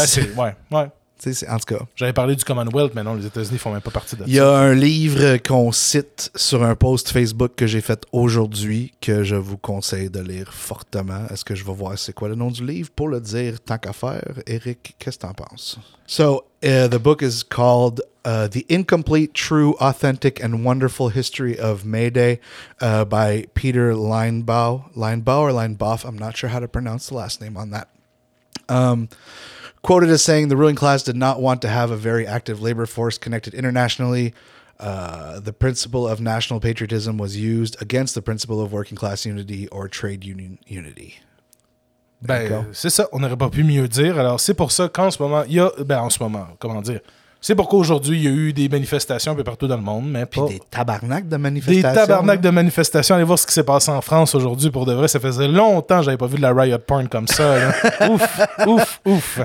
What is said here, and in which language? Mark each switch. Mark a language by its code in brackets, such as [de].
[fr] ben, c'est. Ouais, ouais. C'est, en tout cas. J'avais parlé du Commonwealth, mais non, les États-Unis font même pas partie de ça. Il y a un livre qu'on cite sur un post Facebook que j'ai fait aujourd'hui que je vous conseille de lire fortement. Est-ce que je vais voir c'est quoi le nom du livre pour le dire tant qu'à faire? Eric, qu'est-ce que t'en penses? [en] So, the book is called The Incomplete, True, Authentic, and Wonderful History of May Day by Peter Linebaugh. Linebaugh or Linebaugh? I'm not sure how to pronounce the last name on that. Quoted as saying, the ruling class did not want to have a very active labor force connected internationally. The principle of national patriotism was used against the principle of working class unity or trade union unity. [fr] There ben, c'est ça. On n'aurait pas pu mieux dire. Alors, c'est pour ça qu'en ce moment, il y a... Ben, en ce moment, comment dire? C'est pourquoi aujourd'hui, il y a eu des manifestations un peu partout dans le monde, mais puis pas... des tabarnaks de manifestations. Des tabarnaks de manifestations. Allez voir ce qui s'est passé en France aujourd'hui, pour de vrai. Ça faisait longtemps que j'avais pas vu de la riot porn comme ça. Là. ouf.